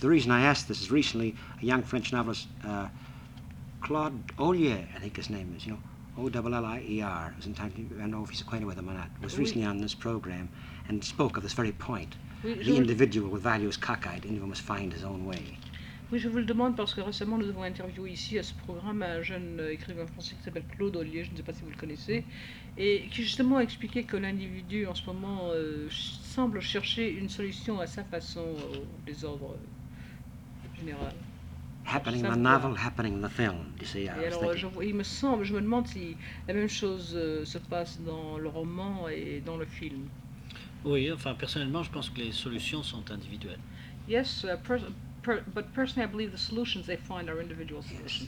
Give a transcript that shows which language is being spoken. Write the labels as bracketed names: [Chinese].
[English] The reason I asked this is recently a young French novelist, Claude Ollier, I think his name is, you know, Ollier, was in time, I don't know if he's acquainted with him or not, was recently on this program and spoke of this very point. The individual with values cockeyed, individual must find his own way. [French] Oui, je vous le demande parce que récemment nous avons interviewé ici à ce programme un jeune écrivain français qui s'appelle Claude Ollier, je ne sais pas si vous le connaissez, et qui justement a expliqué que l'individu en ce moment semble chercher une solution à sa façon au désordre général. [English] Happening in the novel, happening in the film, you see, I was thinking. [French] Je me demande si la même chose se passe dans le roman et dans le film. Oui, enfin personnellement je pense que les solutions sont individuelles. [English] Yes, but personally, I believe the solutions they find are individual solutions.